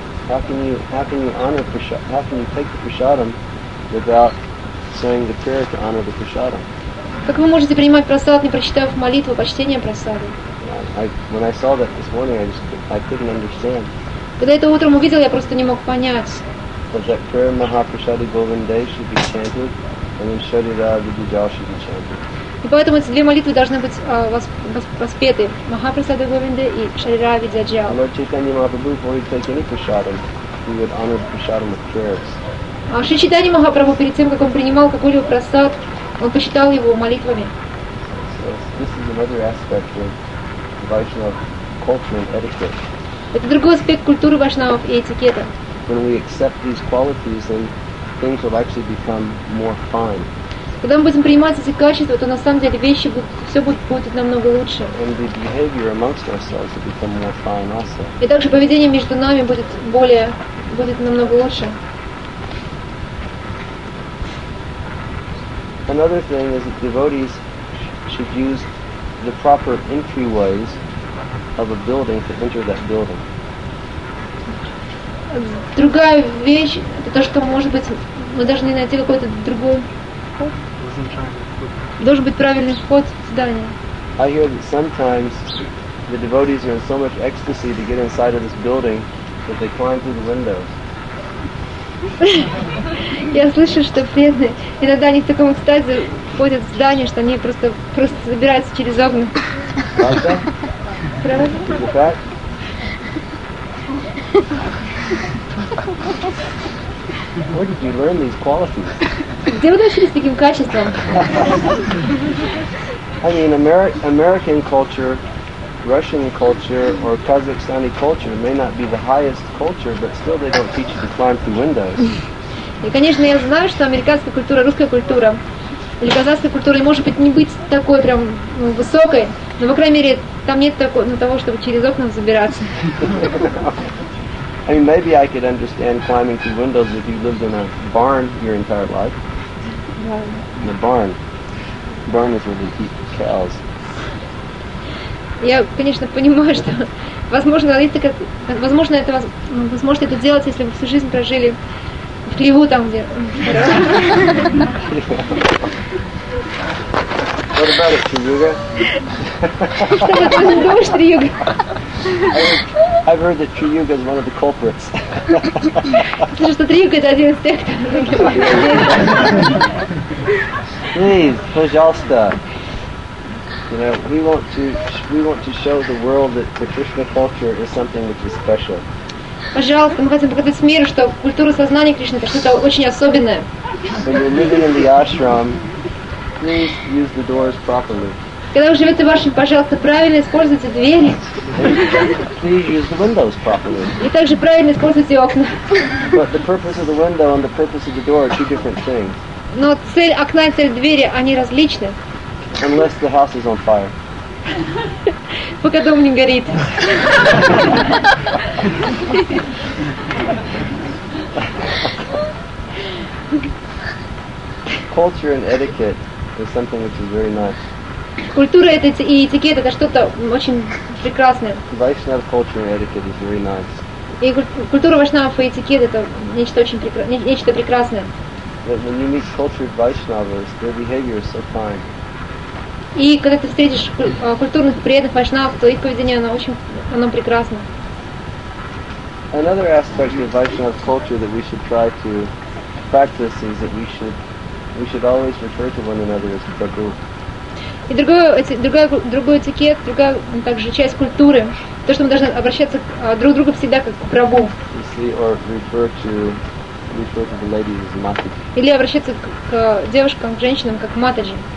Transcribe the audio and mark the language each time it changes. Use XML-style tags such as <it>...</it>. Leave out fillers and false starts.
<en>How can you honor prasadam? How can you take the prasadam without saying the prayer to honor the prasadam?</en> <ru>Как вы можете принимать прасад, не прочитав молитву почтения прасады?</ru> <en>When I saw that this morning, I couldn't understand.</en> <ru>Когда это утром увидел, я просто не мог понять.</ru> <en>But that prayer Mahaprasada Govinday should be chanted, and then Sharira Vidyajal should be chanted.</en> <ru>И поэтому эти две молитвы должны быть воспеты. Махапрасада Говинда и Шарира Видяджал.</ru> <en>Lord Chaitanya Mahaprabhu, before he'd take any prasadam, he would honor the prasadam with prayers.</en> <ru>А Шри Чайтанья Махапрабху перед тем, как он принимал какой-либо прасад, он посчитал его молитвами.</ru> <en>This is another aspect of Vaishnav culture and etiquette.</en> <ru>Это другой аспект культуры Вайшнавов и этикета.</ru> <en>When we accept these qualities, then things will actually become more fine.</en> <ru>Когда мы будем принимать эти качества, то на самом деле вещи будут, все будет намного лучше.</ru> <en>And the behavior amongst ourselves will become more fine also.</en> <ru>И также поведение между нами будет более, будет намного лучше.</ru> <en>Another thing is that devotees should use the proper entryways of a building to enter that building.</en> <ru>Другая вещь, это то, что, может быть, мы должны найти какой-то другой вход. Должен быть правильный вход в здание. I hear that sometimes the devotees are in so much ecstasy to get inside of this building that they climb through the windows. Я слышу, что преданные иногда они в таком экстазе входят в здание, что они просто забираются через окна. Правда?</ru> <en>Where did you learn these qualities?</en> <ru>Где вы научились таким качествам?</ru> <en>I mean, American culture, Russian culture, or Kazakhstani culture may not be the highest culture, but still they don't teach you to climb through windows.</en> <ru>И, конечно, я знаю, что американская культура, русская культура или казахская культура может быть не быть такой прям высокой, но, по крайней мере, там нет такого, того, чтобы через окна забираться.</ru> <en>I mean, maybe I could understand climbing through windows if you lived in a barn your entire life. Yeah. In a barn. Barn is where they keep cows.</en> <ru>Я, конечно, понимаю, что возможно это делать, если вы всю жизнь прожили в хлеву там, где.</ru> <en>What about it, Triyuga? I've heard that Triyuga is one of the culprits. Please,</en> <ru>пожалуйста.</ru> <en>You know, we want to show the world that the Krishna culture is something which is special.</en> <ru>Пожалуйста, мы хотим показать миру, что культура сознания Кришны это что-то очень особенное.</ru> <en>When you're living in the ashram, please use the doors properly.</en> <ru>Когда вы живете в вашем, пожалуйста, правильно используйте двери.</ru> <en>Please use the windows properly.</en> <ru>И также правильно используйте окна.</ru> <en>But the purpose of the window and the purpose of the door are two different things.</en> <ru>Но цель окна и цель двери, они различны.</ru> <en>Unless the house is on fire.</en> <ru>Пока дом не горит.</ru> <en>Culture and etiquette is something which is very nice.</en> <ru>Культура и этикет это что-то очень прекрасное.</ru> <en>Vaishnava culture and etiquette is very nice.</en> <ru>И культура вайшнавов и этикет это нечто прекрасное.</ru> <en>But when you meet cultured Vaishnavas, their behavior is so fine.</en> <ru>И когда ты встретишь культурных преданных вайшнавов, то их поведение оно прекрасно.</ru> <en>Another aspect of Vaishnava culture that we should try to practice is that we should always refer to one another as Prabhu.</en> <ru>И другой этикет, другая также часть культуры, то, что мы должны обращаться друг к другу всегда как к Прабху.</ru> <en>Refer to the ladies as Mataji.</en> <ru>Или обращаться к девушкам, к женщинам как к Матаджи.</ru>